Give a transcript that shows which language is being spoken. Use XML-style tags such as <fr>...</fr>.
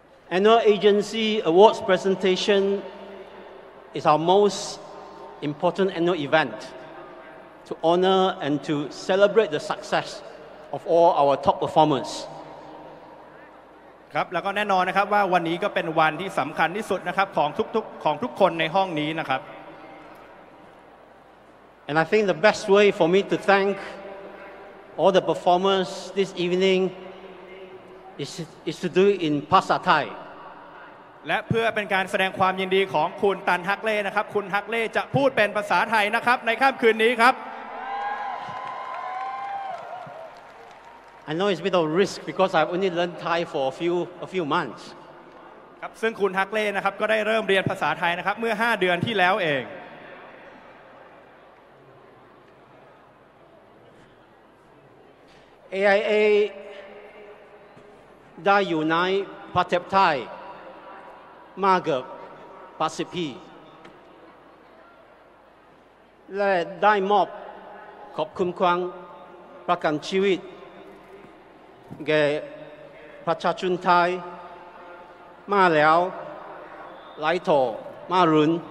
<en>Annual Agency Awards presentation is our most important annual event to honor and to celebrate the success of all our top performers.</en> <th>ครับแล้วก็แน่นอนนะครับว่าวันนี้ก็เป็นวันที่สำคัญที่สุดนะครับของทุกคนในห้องนี้นะครับ</th> <en>And I think the best way for me to thank all the performers this evening is to do it in ภาษาไทย</en> <th>และเพื่อเป็นการแสดงความยินดีของคุณตันฮักเล่นะครับคุณฮักเล่จะพูดเป็นภาษาไทยนะครับในค่ำคืนนี้ครับ</th> <en>I know it's a bit of risk because I've only learned Thai for a few months.</en> <th>ครับซึ่งคุณฮักเล่นะครับก็ได้เริ่มเรียนภาษาไทยนะครับเมื่อ5เดือนที่แล้วเอง AIA ได้อยู่ในประเทศไทยมากกว่า80ปีและได้มอบขอบคุณความประกันชีวิตแก่ประชาชนไทยมาแล้วหลายต่อมารุ่น</th>